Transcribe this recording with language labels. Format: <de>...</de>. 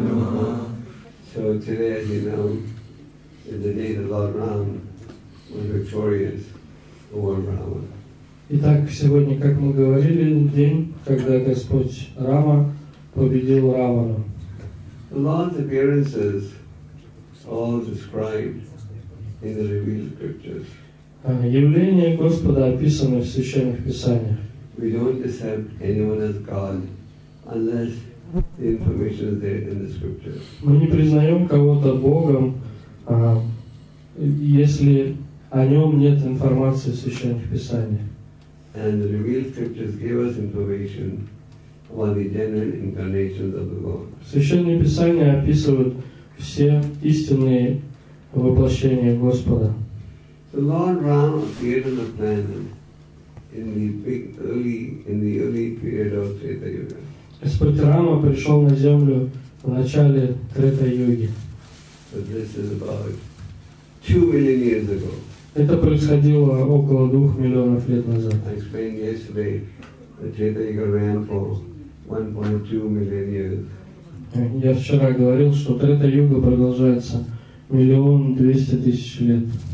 <en>So today, as you know, in the day that Lord Ram was victorious over Ravana.</en> <ru>Итак, сегодня, как мы говорили, день, когда Господь Рама победил Равана.</ru> <en>The Lord's appearances all described in the revealed scriptures.</en> <ru>Явления Господа описаны в Священных Писаниях.</ru> <en>We don't accept anyone as God unless the information is there in the scriptures.</en> <ru>Мы не признаем кого-то Богом, если о нем нет информации в Священных Писаниях.</ru> <en>And the revealed scriptures give us information about the genuine incarnations of the Lord.</en> <ru>Священные Писания описывают все истинные воплощения Господа.</ru> <en>So Lord Ram appeared on the planet in the big early in the early period of Treta Yuga.</en> <ru>Господь Рама пришел на землю в начале Трета Юги.</ru> <en>So this is about 2 million years ago.</en> <ru>Это происходило около 2 миллионов лет назад.</ru> <en>I explained yesterday that Treta Yuga ran for 1.2 million years.</en> <ru>Я вчера говорил, что Трета Юга продолжается 1,200,000 лет.</ru>